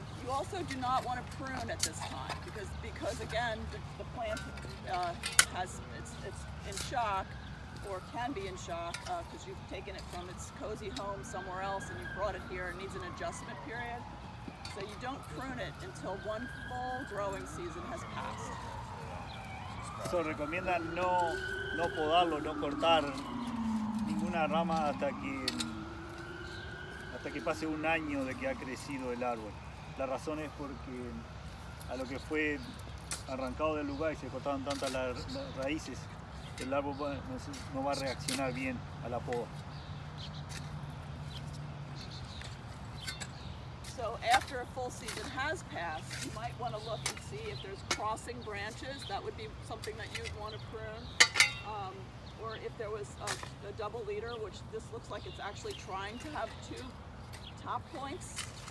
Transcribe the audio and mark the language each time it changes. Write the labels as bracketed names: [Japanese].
[English] Also, do not want to prune at this time because again, the plant it's in shock, or can be in shock because you've taken it from its cozy home somewhere else and you brought it here and needs an adjustment period. So you don't prune it until one full growing season has passed. [Spanish] So recomienda no podarlo, no cortar ninguna rama hasta que pase un año de que ha crecido el árbol. La razón es porque a lo que fue arrancado del lugar y se cortaron tantas las raíces, el árbol no va a reaccionar bien a la poda. [English] So after a full season has passed, you might want to look and see if there's crossing branches. That would be something that you'd want to prune. Or if there was a double leader, which this looks like it's actually trying to have two top points.